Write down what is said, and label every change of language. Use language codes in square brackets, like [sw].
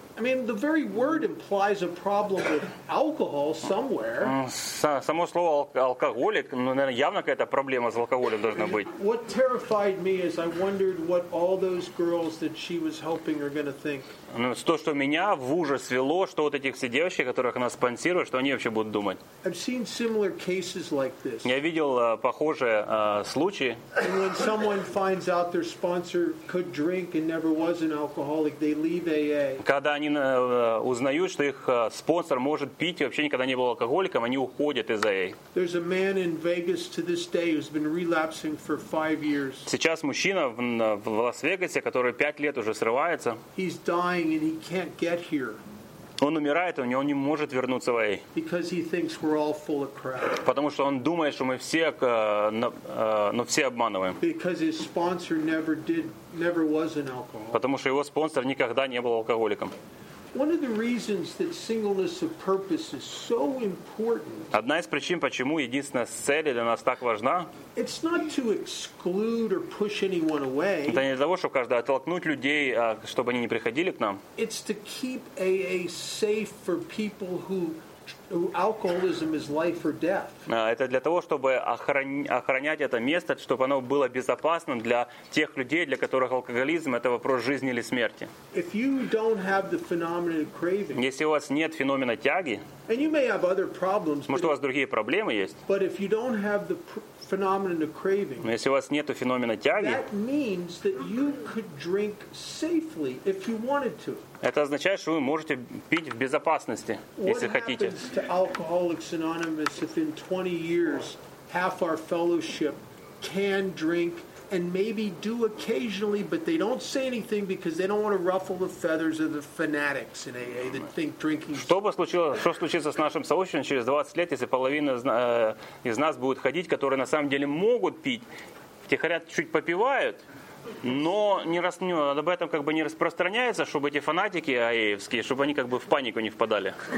[en] I mean, the very word implies a problem with alcohol somewhere. [ru] Само слово алкоголик, ну, наверное, явно какая-то проблема с алкоголем должна быть. [en] What terrified me is I wondered what all those girls that she was helping are going to think. [ru] Ну, то, что меня в ужас свело, что вот этих все девочек, которых она спонсирует, что они вообще будут думать. [en] I've seen similar cases like this. [ru] Я видел похожие случаи. [en] And when someone finds out their sponsor could drink and never was an alcoholic, they leave AA. [ru] Когда они узнают, что их спонсор может пить и вообще никогда не был алкоголиком, они уходят из AA. [en] There's a man in Vegas to this day who's been relapsing for 5 years. [ru] Сейчас мужчина в Лас-Вегасе, который 5 лет уже срывается. [en] He's dying and he can't get here. [ru] Он умирает, у него не может вернуться в AA. [en] Because he thinks we're all full of crap. [ru] Потому что он думает, что мы все, но все обманываем. [en] Because his sponsor never was an alcoholic. [ru] Потому что его спонсор никогда не был алкоголиком. [en] One of the reasons that singleness of purpose is so important. [ru] Одна из причин, почему единственная цель для нас так важна. [en] It's not to exclude or push anyone away. [ru] Это не для того, чтобы каждого оттолкнуть людей, чтобы они не приходили к нам. [en] It's to keep AA safe for people who alcoholism is life or death. [ru] Это для того, чтобы охранять это место, чтобы оно было безопасным для тех людей, для которых алкоголизм — это вопрос жизни или смерти. [en] If you don't have the phenomenon of craving, [ru] если у вас нет феномена тяги, [en] and you may have other problems, [ru] может, у вас другие проблемы есть, [en] but if you don't have the phenomenon of craving, [ru] но если у вас нету феномена тяги, [en] that means that you could drink safely if you wanted to. [ru] Это означает, что вы можете пить в безопасности, если хотите. [en] What happens to Alcoholics Anonymous if in 20 years half our fellowship can drink and maybe do occasionally, but they don't say anything because they don't want to ruffle the feathers of the fanatics in AA that think drinking. [ru] Что случится с нашим сообществом через 20 лет, если половина из нас будет ходить, которые на самом деле могут пить, те хотят чуть попивают? Но об этом как бы не распространяется, чтобы эти фанатики аэевские, чтобы они как бы в панику не впадали.